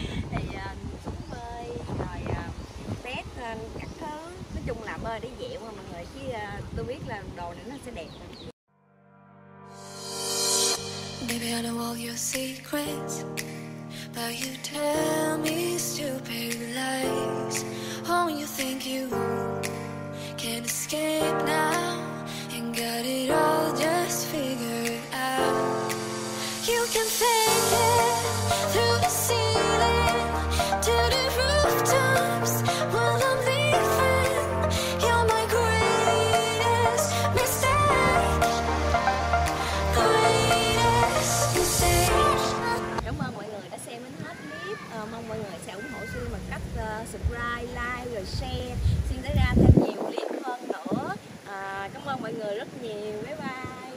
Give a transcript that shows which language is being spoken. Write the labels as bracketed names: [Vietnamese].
[Vietnamese] Thì xuống bơi rồi test các thứ, nói chung là bơi để dẹo mà mọi người, chứ tôi biết là đồ này nó sẽ đẹp. [English] Baby, I know all your secrets, but you tell me stupid lies. Oh, you think you can escape now. Got it all just figured out. You can fake it through the ceiling to the rooftops. While I'm leaving, you're my greatest mistake. Greatest mistake. [Vietnamese] Cảm ơn mọi người đã xem đến hết clip. Mong mọi người sẽ ủng hộ Xuyên bằng cách subscribe, like rồi share. Xuyên sẽ ra thêm nhiều clip hơn nữa. Cảm ơn mọi người rất nhiều. Bye bye.